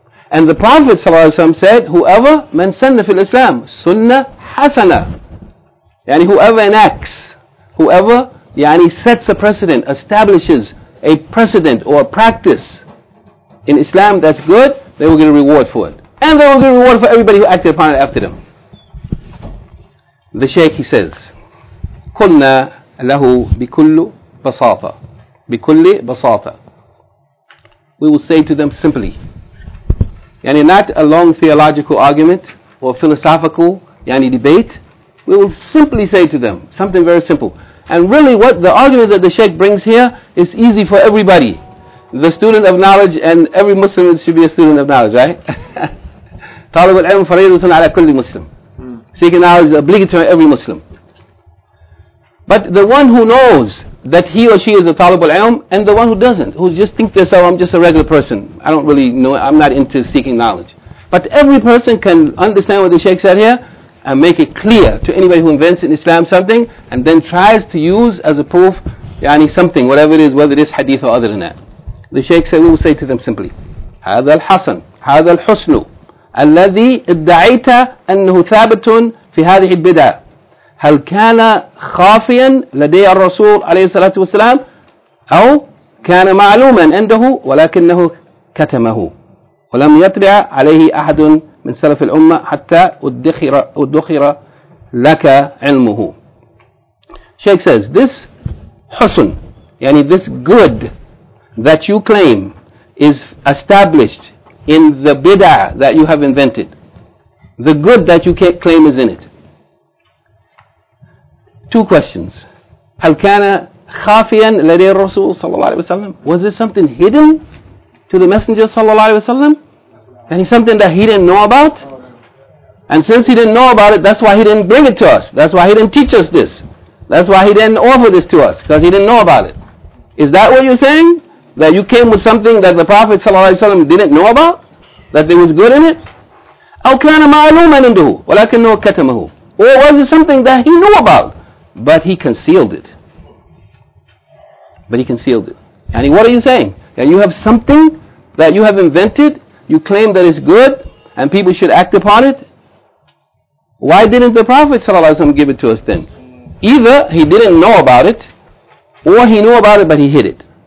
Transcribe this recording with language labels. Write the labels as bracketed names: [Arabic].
[English] And the Prophet ﷺ said, whoever, man sanna fil Islam, sunnah hasana. Yani, whoever enacts, whoever, yani, sets a precedent, establishes a precedent or a practice in Islam that's good, they will get a reward for it. And they will get a reward for everybody who acted upon it after them. The Shaykh, he says, قلنا له بكل بساطة, بكل بساطة. We will say to them simply, yani not a long theological argument or philosophical yani debate. We will simply say to them something very simple. And really, what the argument that the Shaykh brings here is easy for everybody. The student of knowledge, and every Muslim should be a student of knowledge, right? [Arabic] طالب العلم فريضة على كل مسلم. [English] Seeking knowledge is obligatory to every Muslim. But the one who knows that he or she is a talib al-ilm, and the one who doesn't, who just thinks to himself, I'm just a regular person, I don't really know, I'm not into seeking knowledge. But every person can understand what the Shaykh said here, and make it clear to anybody who invents in Islam something, and then tries to use as a proof, yani something, whatever it is, whether it is hadith or other than that. [Arabic] The Shaykh said, we will say to them simply, هذا الحسن, هذا الحسن الذي ادعيت أنه ثابت في هذه البدعة هل كان خافيا لدي الرسول عليه الصلاة والسلام أو كان معلوما عنده ولكنه كتمه. ولم يطلع عليه أحد من سلف الأمة حتى أدخر لك علمه. [English] Sheikh says, this حسن, يعني this good that you claim is established in the bid'ah that you have invented. The good that you claim is in it. Two questions. [Arabic] هل كان خافيا لدي الرسول صلى الله عليه وسلم? [English] Was there something hidden to the Messenger صلى الله عليه وسلم? And something that he didn't know about? And since he didn't know about it, that's why he didn't bring it to us. That's why he didn't teach us this. That's why he didn't offer this to us, because he didn't know about it. Is that what you're saying? That you came with something that the Prophet ﷺ didn't know about? That there was good in it? [Arabic] أو كان معلوما عنده ولكنه كتمه. [English] Or was it something that he knew about, but he concealed it? But he concealed it. And what are you saying? That you have something that you have invented, you claim that it's good, and people should act upon it? Why didn't the Prophet ﷺ give it to us then? Either he didn't know about it, or he knew about it but he hid it.